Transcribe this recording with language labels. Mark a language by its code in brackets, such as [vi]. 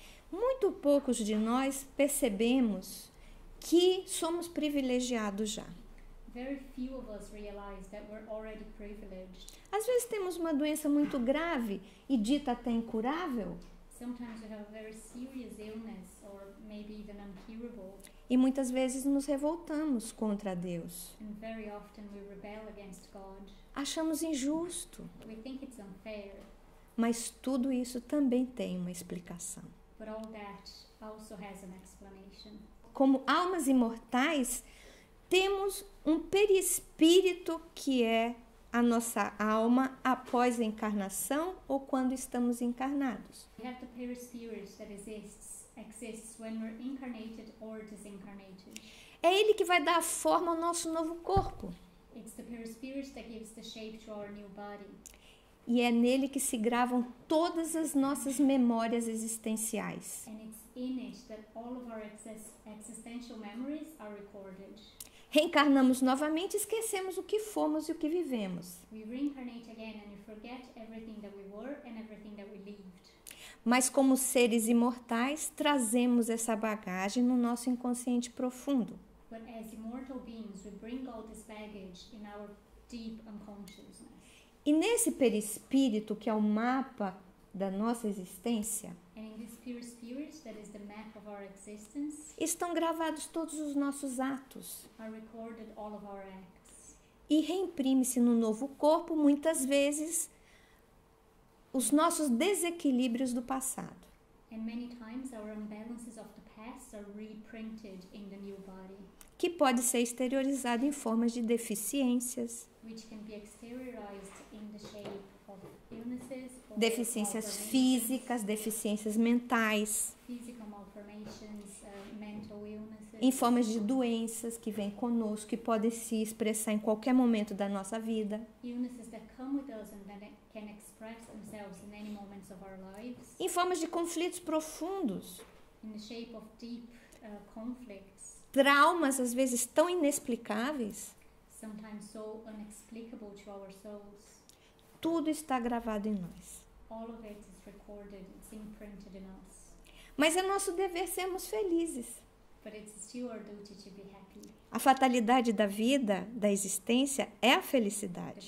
[pt] Muito poucos de nós percebemos que somos privilegiados já. [en] Very few of us realize that we're already privileged. [pt] Às vezes temos uma doença muito grave e dita até incurável. [en] Sometimes we have a very serious illness or maybe even incurable. [pt] E muitas vezes nos revoltamos contra Deus. [en] And very often we rebel against God. [pt] Achamos injusto. [en] We think it's unfair. [pt] Mas tudo isso também tem uma explicação. [en] But all that also has an explanation. [pt] Como almas imortais, temos um perispírito que é a nossa alma após a encarnação ou quando estamos encarnados. [en] We have the perispirit that exists when we're incarnated or disincarnated. [pt] É ele que vai dar a forma ao nosso novo corpo. [en] It's the perispirit that gives the shape to our new body. [pt] E é nele que se gravam todas as nossas memórias existenciais. [en] And it's in it that all of our existential memories are recorded. [pt] Reencarnamos novamente e esquecemos o que fomos e o que vivemos. [en] We reincarnate again and we forget everything that we were and everything that we lived. [pt] Mas como seres imortais, trazemos essa bagagem no nosso inconsciente profundo. [en] But as immortal beings, we bring all this baggage in our deep unconsciousness. [pt] E nesse perispírito, que é o mapa da nossa existência, [en] and in this pure spirit, that is the map of our existence, [pt] estão gravados todos os nossos atos. [en] Are recorded all of our acts. [pt] E reimprime-se no novo corpo, muitas vezes, os nossos desequilíbrios do passado. [en] And many times our imbalances of the past are reprinted in the new body. [pt] Que pode ser exteriorizado em formas de deficiências, [en] which can be exteriorized in the shape of illnesses, [pt] deficiências físicas, deficiências mentais, [en] physical malformations, mental illnesses, [pt] em formas de doenças que vêm conosco e podem se expressar em qualquer momento da nossa vida, [en] illnesses that come with us and that can express themselves in any moments of our lives, [pt] em formas de conflitos profundos, [en] in the shape of deep conflicts, [pt] traumas às vezes tão inexplicáveis. [en] Sometimes so unexplicable to our souls. [pt] Tudo está gravado em nós. [en] All of it is recorded, it's imprinted in us. [pt] Mas é nosso dever sermos felizes. [en] But it's still our duty to be happy. [pt] A fatalidade da vida, da existência, é a felicidade.